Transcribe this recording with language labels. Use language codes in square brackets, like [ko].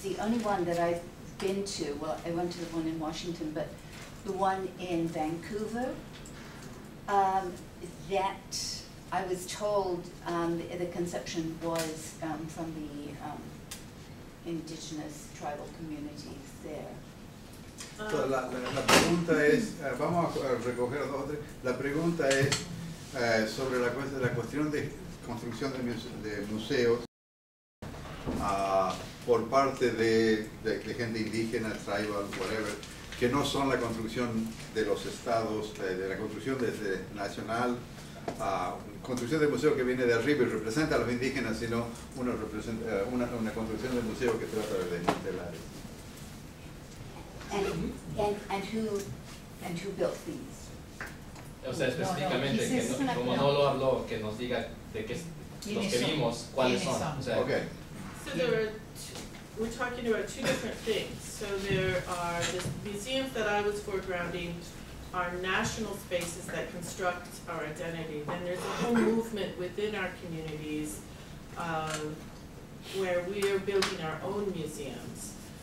[en] The only one that I've been to, well, I went to the one in Washington, but the one in Vancouver, that I was told the conception was from the indigenous tribal communities there. [es] So la pregunta es, vamos a recoger dos o tres. La pregunta es sobre la cuestión de construcción de museos por parte de gente indígena, tribal, [en] whatever, [es] que no son la construcción de los estados, de la construcción desde nacional construcción de museo que viene de arriba y representa a los indígenas, sino una construcción de museo que trata de la área. [en] And who built these? [es] O sea, específicamente, como no lo habló, que nos diga de qué los que vimos, cuáles son. [en] Okay. So there are we're talking about two different things. So there are the museums that I was foregrounding are national spaces that construct our identity. Then there's a whole movement within our communities where we are building our own museums.